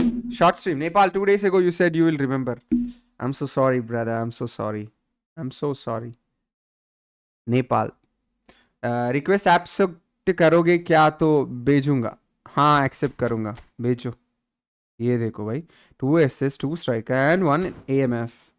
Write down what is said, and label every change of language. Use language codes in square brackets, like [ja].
[en] Short stream. Nepal, 2 days ago you said you will remember. I'm so sorry, brother. I'm so sorry. I'm so sorry. Nepal. [hi] Request accept करोगे क्या तो बेजुंगा. हाँ, accept करूँगा. Bejo. ये देखो भाई. [en] 2 SS, 2 striker and 1 AMF.